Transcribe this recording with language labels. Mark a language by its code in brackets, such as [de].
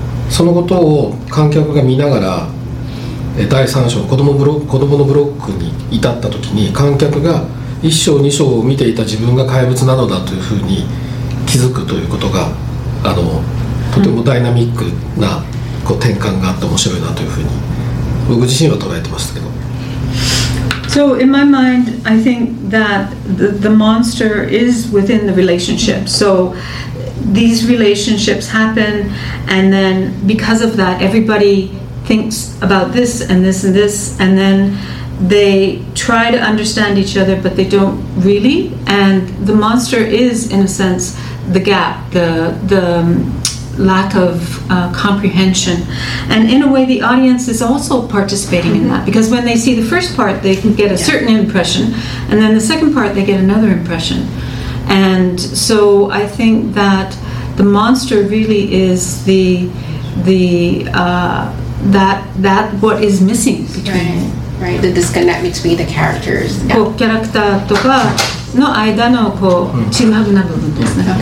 [ja] そのことを観客が見ながら、第3章子供のブロックに至った時に、観客が1章2章を見ていた自分が怪物なのだというふうに気づくということが、とてもダイナミックなこう転換があって面白いなというふうに僕自身は捉えてましたけど。 [en] So in my mind, I think that the monster is within the relationship. So these relationships happen, and then because of that, everybody thinks about this and this and this, and then they try to understand each other, but they don't really. And the monster is, in a sense, the gap, the lack of comprehension. And in a way, the audience is also participating in that, because when they see the first part, they can get a certain impression, and then the second part, they get another impression. And so I think that the monster really is the what is missing between right, the disconnect between the characters. Yeah. [ja] キャラクターとかの間のこう、チグハグな部分ですね。